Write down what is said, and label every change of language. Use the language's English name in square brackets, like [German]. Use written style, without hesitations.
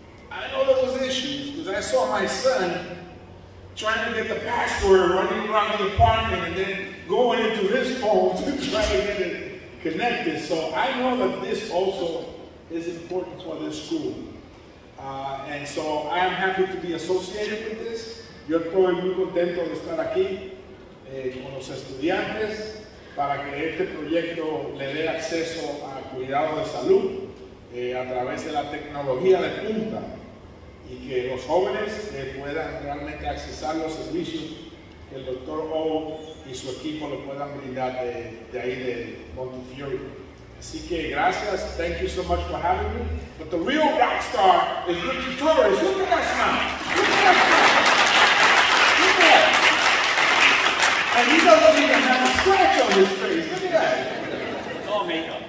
[English] I know there was issues because I saw my son trying to get the password, running around the apartment, and then going into his phone to try to get it connected. So I know that this also is important for this school. And so I am happy to be associated with this. [Spanish] Yo estoy muy contento de estar aquí con los estudiantes para que este proyecto le dé acceso a cuidado de salud a través de la tecnología de punta. Y que los jóvenes puedan realmente accesar los servicios que el doctor O y su equipo le puedan brindar de ahí de Montefiore. Así que gracias, [English] thank you so much for having me. But the real rock star is Ritchie Torres. Look at that smile. Look at that smile. Look at that. And he doesn't even have a scratch on his face. Look at that. It's all makeup.